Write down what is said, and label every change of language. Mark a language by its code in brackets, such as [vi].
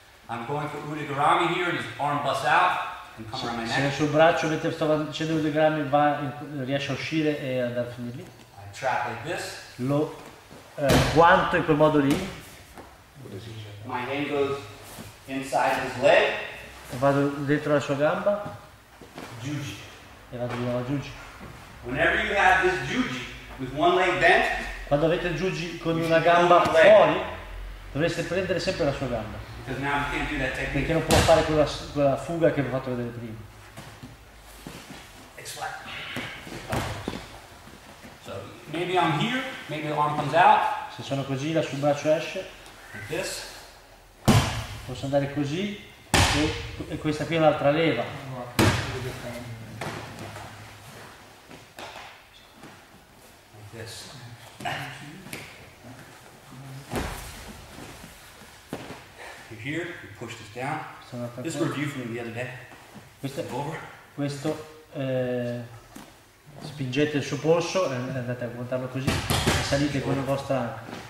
[en] I'm going for Udegarami here and his arm busts out and come around my neck. [it] Se nel suo braccio mentre sto facendo l'udegarami va, riesce a uscire e andare a finire lì. [en] I trap like this. [it] Lo guanto in quel modo lì. [en] My hand goes inside his leg. [it] Vado dentro la sua gamba. [en] Juji. [it] E vado di nuovo a Juji. [en] Whenever you have this juji with one leg bent, [it] quando avete il juji con una gamba fuori, dovreste prendere sempre la sua gamba. [en] Because now I can't do that technique. [it] Perché non può fare quella fuga che vi ho fatto vedere prima. [en] It's flat. So maybe I'm here, maybe the arm comes out. [it] Se sono così, la sua braccio esce. [en] Like this. [it] Posso andare così e questa qui è un'altra leva. [en] You're here, you push this down. This review from the other day. [it] Questo spingete il suo polso e andate a contarlo così e salite con la vostra.